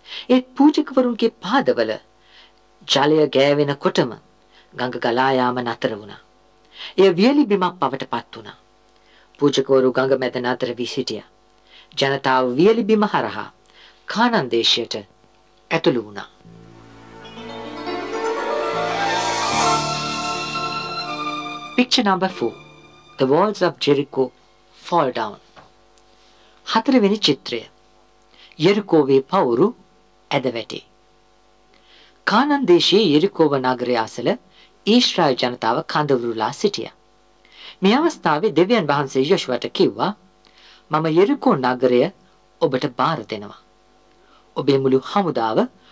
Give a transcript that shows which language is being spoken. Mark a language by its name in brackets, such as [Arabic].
[Sinhala] ඒ පූජකවරුන්ගේ පාදවල ජලය ගෑවෙනකොටම ගඟ ගලා යාම නතර වුණා. එය වියලි බිමක් පවට පත් වුණා. පූජකවරු ගඟ මැද නතර වී සිටියා. ජනතාව වියලි බිම හරහා කානන් දේශයට ඇතුළු වුණා. [English] Picture number 4, The walls of Jericho fall down. [Sinhala] හතරවෙනි චිත්‍රය, යෙරිකෝවේ පවුරු ඇදවැටේ. කානන් දේශයේ යෙරිකෝව නගරය අසල ඊශ්‍රායල් ජනතාව කඳවුරුලා සිටියා. මේ අවස්ථාවේ දෙවියන් වහන්සේ යොෂුවාට කිව්වා, "මම යෙරිකෝ නගරය ඔබට බාර දෙනවා. ඔබේ මුළු හමුදාව